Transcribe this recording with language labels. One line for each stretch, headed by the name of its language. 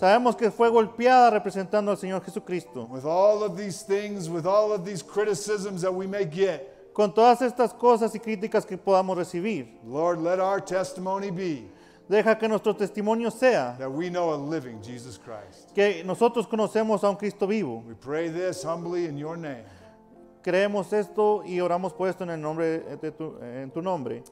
Spanish: Sabemos que fue golpeada representando al Señor Jesucristo.
English: With all of these things, with all of these criticisms that we may get,
Spanish: con todas estas cosas y críticas que podamos recibir,
English: Lord, let our testimony be,
Spanish: deja que nuestro testimonio sea,
English: that we know a living Jesus Christ,
Spanish: que nosotros conocemos a un Cristo vivo.
English: We pray this humbly in your name.
Spanish: Creemos esto y oramos por esto en el nombre de tu nombre.